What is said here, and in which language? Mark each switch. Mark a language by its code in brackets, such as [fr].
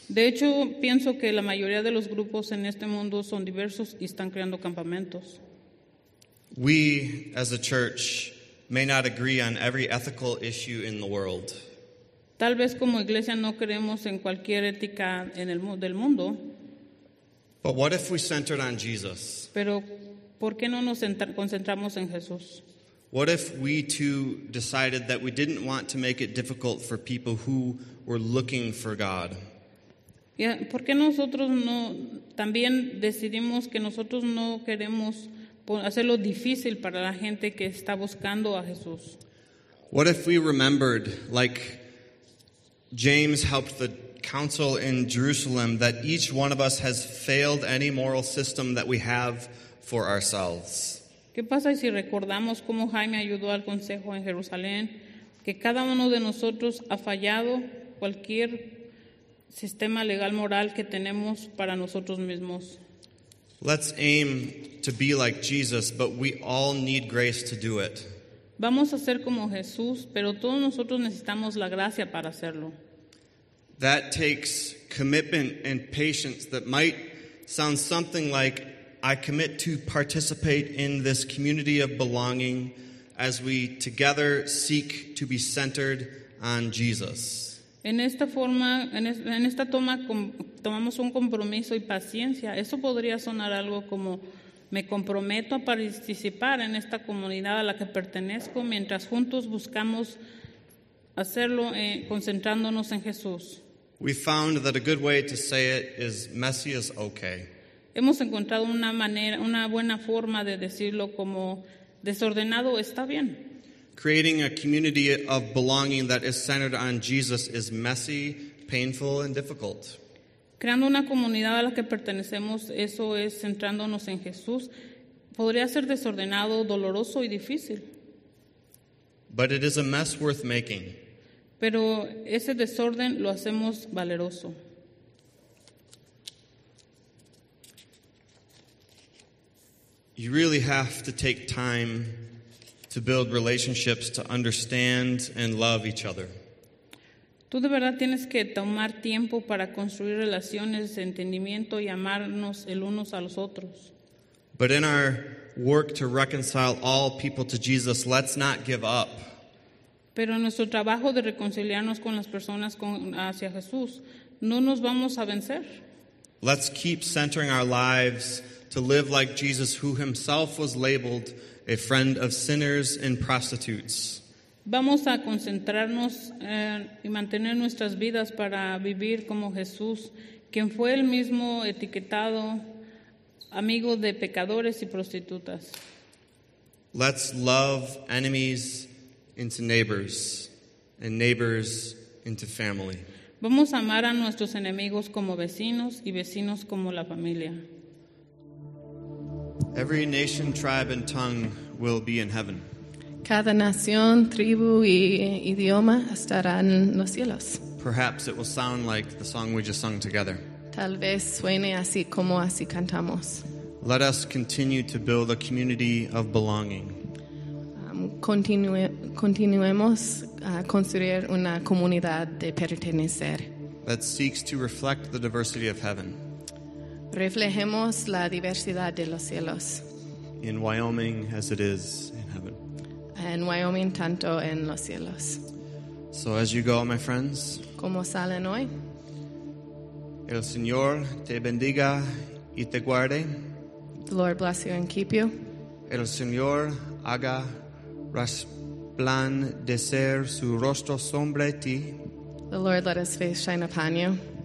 [es] De hecho, pienso que la mayoría de los grupos en este mundo son diversos y están creando campamentos. [en] We, as a church, may not agree on every ethical issue in the world. [es] Tal vez como iglesia no creemos en cualquier ética en el del mundo. [en] But what if we centered on Jesus? [es] Pero ¿por qué no nos concentramos en Jesús? [en] What if we too decided that we didn't want to make it difficult for people who were looking for God? [es] Yeah, ¿por qué nosotros no también decidimos que nosotros no queremos hacerlo difícil para la gente que está buscando a Jesús? [en] What if we remembered, like James helped the council in Jerusalem, that each one of us has failed any moral system that we have for ourselves? [es] ¿Qué pasa si recordamos cómo Jaime ayudó al consejo en Jerusalén, que cada uno de nosotros ha fallado cualquier sistema legal moral que tenemos para nosotros mismos? [en] Let's aim to be like Jesus, but we all need grace to do it. [es] Vamos a ser como Jesús, pero todos nosotros necesitamos la gracia para hacerlo. [en] That takes commitment and patience that might sound something like, I commit to participate in this community of belonging as we together seek to be centered on Jesus. [es] En esta forma, en esta toma, tomamos un compromiso y paciencia. Eso podría sonar algo como, me comprometo a participar en esta comunidad a la que pertenezco mientras juntos buscamos hacerlo concentrándonos en Jesús. [en] We found that a good way to say it is, messy is okay. [es] Hemos encontrado una manera, una buena forma de decirlo como, desordenado está bien. [en] Creating a community of belonging that is centered on Jesus is messy, painful, and difficult. [es] Creando una comunidad a la que pertenecemos, eso es centrándonos en Jesús, podría ser desordenado, doloroso, y difícil. [en] But it is a mess worth making. [es] Pero ese desorden lo hacemos valeroso. [en] You really have to take time to build relationships to understand and love each other. [es] Tú de verdad tienes que tomar tiempo para construir relaciones, entendimiento y amarnos el unos a los otros. [en] But in our work to reconcile all people to Jesus, let's not give up. [es] Pero en nuestro trabajo de reconciliarnos con las personas hacia Jesús, no nos vamos a vencer. [en] Let's keep centering our lives to live like Jesus, who himself was labeled a friend of sinners and prostitutes. [es] Vamos a concentrarnos y mantener nuestras vidas para vivir como Jesús, quien fue el mismo etiquetado amigo de pecadores y prostitutas. [en] Let's love enemies into neighbors and neighbors into family. [es] Vamos a amar a nuestros enemigos como vecinos y vecinos como la familia. [en] Every nation, tribe, and tongue will be in heaven. [es] Cada nación, tribu, y idioma estará en los cielos. [en] Perhaps it will sound like the song we just sung together. [es] Tal vez suene así como así cantamos. [en] Let us continue to build a community of belonging. [es] Continuemos a construir una comunidad de pertenecer. [en] That seeks to reflect the diversity of heaven. [es] Reflejemos la diversidad de los cielos. [en] In Wyoming as it is in heaven. [es] En Wyoming tanto en los cielos. [en] So as you go, my friends. [es] Como salen hoy. El Señor te bendiga y te guarde. [en] The Lord bless you and keep you. [es] El Señor haga resplandecer su rostro sobre ti. [en] The Lord let his face shine upon you.